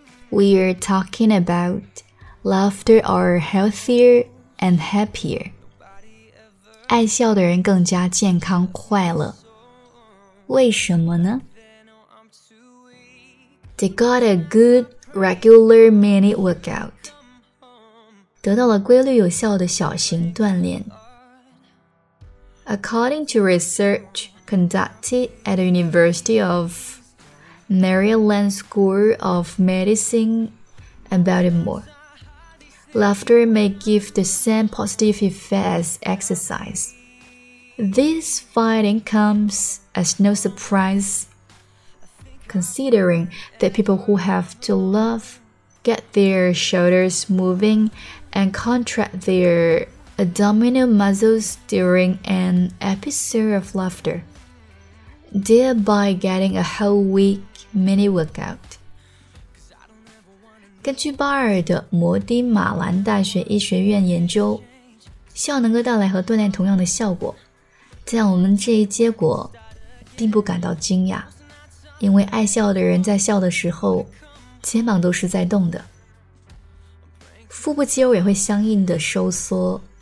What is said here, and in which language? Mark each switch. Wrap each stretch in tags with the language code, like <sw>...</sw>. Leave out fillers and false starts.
<en>We are talking about laughter are healthier and happier，</en> <zh>爱笑的人更加健康快乐，为什么呢？</zh> <en>They got a good regular mini workout.</en> <zh>得到了规律有效的小型锻炼。</zh> <en>According to research conducted at the University of Maryland School of Medicine and Baltimore, laughter may give the same positive effect as exercise. This finding comes as no surprise. Considering that people who have to laugh get their shoulders moving and contract their abdominal muscles during an episode of laughter, thereby getting a whole week mini workout.</en> <zh>根据巴尔的摩丁马兰大学医学院研究，笑能够带来和锻炼同样的效果，但我们这一结果并不感到惊讶。因为爱笑的人在笑的时候，肩膀都是在动的，腹部肌肉也会相应的收缩。</zh>